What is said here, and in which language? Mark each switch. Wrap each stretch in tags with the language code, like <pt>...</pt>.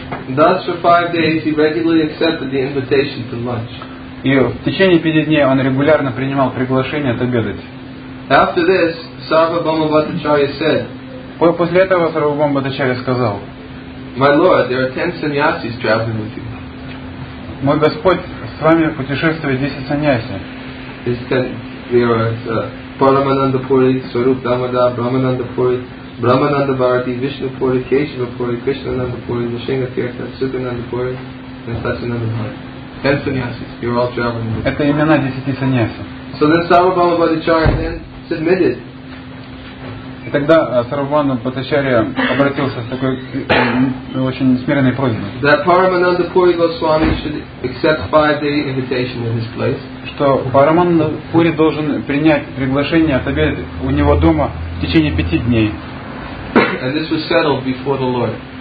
<en>Thus, for 5 days, he regularly accepted the invitation to lunch.</en> <ru>И в течение 5 дней он регулярно принимал приглашение отобедать.</ru> <en>After this, Sarvabhauma Bhattacharya said,</en> <ru>после этого Сарвабхаума Бхаттачарья сказал,</ru> <en>My Lord, there are 10 sannyasis traveling with you.</en> <ru>Мой Господь, с вами путешествует 10 саньяси.</ru> <en>These 10, they are Paramananda Puri, Swarup Damada, Brahmananda Puri, Brahmananda Bharati, Vishnu Puri, Keshava Puri, Krishnananda Puri, Nishinga Tirtha, Sukhananda Puri, and Satchananda Puri. 10 sannyasis, you're all traveling with me.</en> <ru>Это имена 10 саньяси.</ru> <en>So then Sarvabhauma Bhattacharya then submitted.</en> <ru>И тогда Сарвабхаума Бхаттачарья обратился с такой очень смиренной просьбой.</ru> <en>That Paramananda Puri Goswami should accept 5-day invitation in his place.</en> <ru>Что Парамананда Пури должен принять приглашение отобедать у него дома в течение 5 дней.</ru> <en>And this was settled before the Lord.</en>